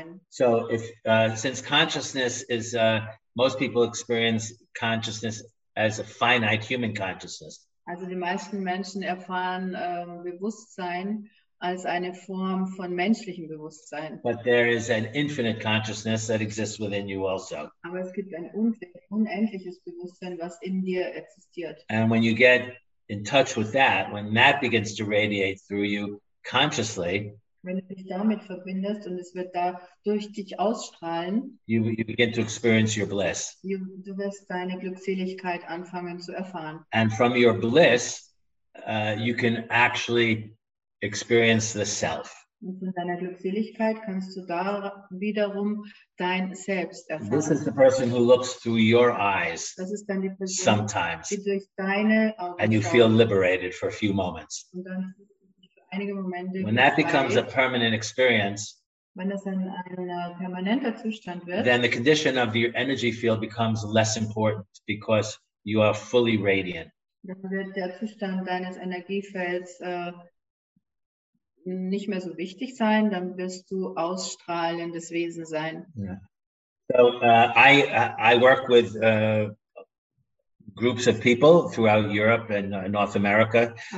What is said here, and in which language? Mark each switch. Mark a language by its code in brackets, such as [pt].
[en] So if since consciousness is, most people experience consciousness as a finite human consciousness. [de] Also die meisten Menschen erfahren Bewusstsein als eine Form von menschlichem Bewusstsein. [en] But there is an infinite consciousness that exists within you also. [de] Aber es gibt ein unendliches Bewusstsein, was in dir existiert. [en] And when you get in touch with that, when that begins to radiate through you consciously, [de] wenn du dich damit verbindest und es wird da durch dich ausstrahlen, [en] you begin to experience your bliss. [de] Du wirst deine Glückseligkeit anfangen zu erfahren. [en] And from your bliss, you can actually experience the self. [de] Und von deiner Glückseligkeit kannst du da wiederum dein Selbst erfahren. [en] This is the person who looks through your eyes. [de] Das ist dann die Person, [en] sometimes. [de] Die durch deine Augen. [en] And you feel liberated for a few moments. [de] Und dann [en] when that becomes a permanent experience, [de] wenn das ein permanenter Zustand wird, [en] then the condition of your energy field becomes less important because you are fully radiant. [de] Dann wird der Zustand deines Energiefelds nicht mehr so wichtig sein, dann wirst du ausstrahlendes Wesen sein. [en] Yeah. So I work with groups of people throughout Europe and North America.